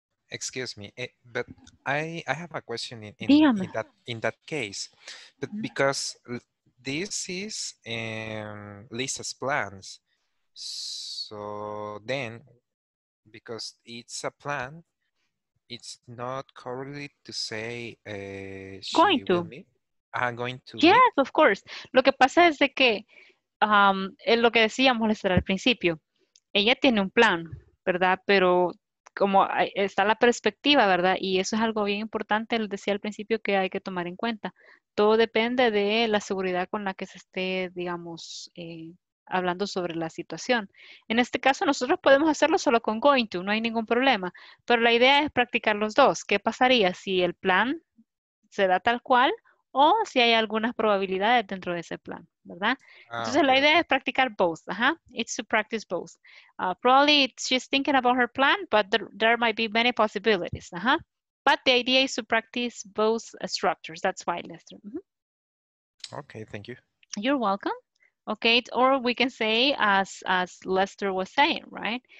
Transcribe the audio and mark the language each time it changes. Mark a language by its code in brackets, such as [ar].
[en] Excuse me, but I have a question in that case, but because this is Lisa's plans, so then because it's a plan, it's not correctly to say going to. Yes, meet. Of course. [es] Lo que pasa es de que es lo que decíamos al principio. Ella tiene un plan, ¿verdad? Pero como está la perspectiva, ¿verdad? Y eso es algo bien importante, lo decía al principio, que hay que tomar en cuenta. Todo depende de la seguridad con la que se esté, digamos, hablando sobre la situación. En este caso, nosotros podemos hacerlo solo con going to, no hay ningún problema. Pero la idea es practicar los dos. ¿Qué pasaría si el plan se da tal cual o si hay algunas probabilidades dentro de ese plan, ¿verdad? Entonces, la idea es practicar both. Ajá. [en] It's to practice both. Probably she's thinking about her plan, but there might be many possibilities. Ajá. But the idea is to practice both structures. That's why, Lester. Mm-hmm. Okay, thank you. You're welcome. Okay, or we can say, as Lester was saying, right?